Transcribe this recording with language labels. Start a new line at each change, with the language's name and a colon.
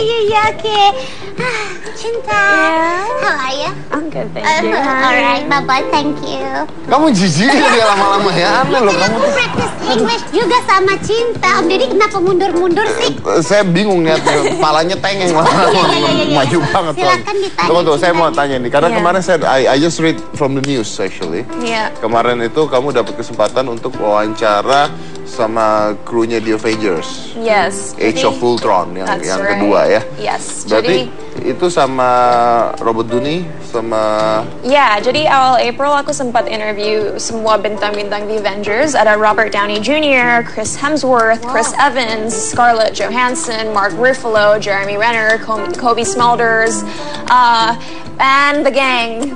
Indonesian: Iya, oke.
English: Cinta, how are you? I'm good, thank you. Alright, bye-bye, thank you.
Indonesian: Kamu jijik dia lama-lama ya, aneh loh. Kan aku
English: practice English
Indonesian: juga sama Cinta. Om Deddy kenapa mundur-mundur sih? Saya bingung ya, kepalanya tengeng lama-lama. Maju banget. Silahkan ditanya. Tunggu, saya mau tanya nih. Karena kemarin saya,
English: I just read from the news actually.
Indonesian: Kemarin itu kamu dapat kesempatan untuk wawancara sama krunya The Avengers.
English: Yes.
Indonesian: Age of Ultron yang kedua ya.
English: Yes.
Indonesian: Berarti itu sama Robert Downey sama. Ya, jadi awal April aku sempat interview semua bintang-bintang The Avengers, ada Robert Downey Jr., Chris Hemsworth, Chris Evans, Scarlett Johansson, Mark Ruffalo, Jeremy Renner, Kobe Smulders,
English: and the gang.